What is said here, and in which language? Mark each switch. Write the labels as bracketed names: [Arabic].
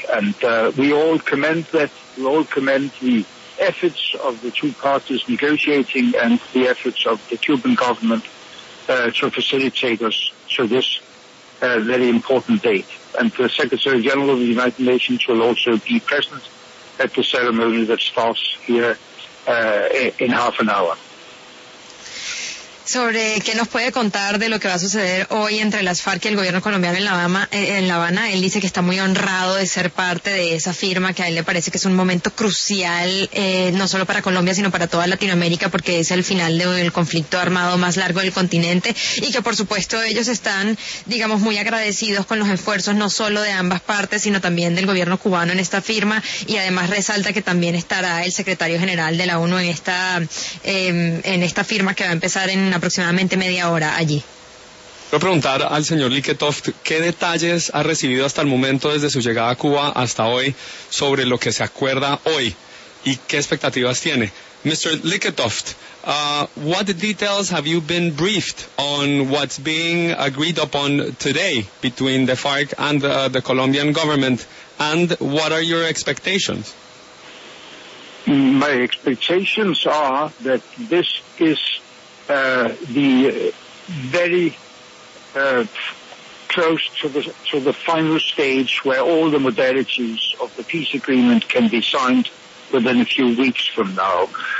[English] And we all commend that. We all commend the efforts of the two parties negotiating and the efforts of the Cuban government to facilitate us to this very important date. And the Secretary General of the United Nations will also be present at the ceremony that starts here in half an hour. [Spanish] Sobre qué nos puede contar de lo que va a suceder hoy entre las FARC y el gobierno colombiano en La Habana. Él dice que está muy honrado de ser parte de esa firma, que a él le parece que es un momento crucial, no solo para Colombia, sino para toda Latinoamérica, porque es el final del conflicto armado más largo del continente, y que, por supuesto, ellos están, digamos, muy agradecidos con los esfuerzos no solo de ambas partes, sino también del gobierno cubano en esta firma, y además resalta que también estará el secretario general de la ONU en esta firma que va a empezar en aproximadamente media hora allí. Quiero preguntar al señor Lykketoft qué detalles ha recibido hasta el momento desde su llegada a Cuba hasta hoy sobre lo que se acuerda hoy y qué expectativas tiene. [English] Mr. Lykketoft, what details have you been briefed on what's being agreed upon today between the FARC and the Colombian government, and what are your expectations? My expectations are that this is the very close to the final stage where all the modalities of the peace agreement can be signed within a few weeks from now.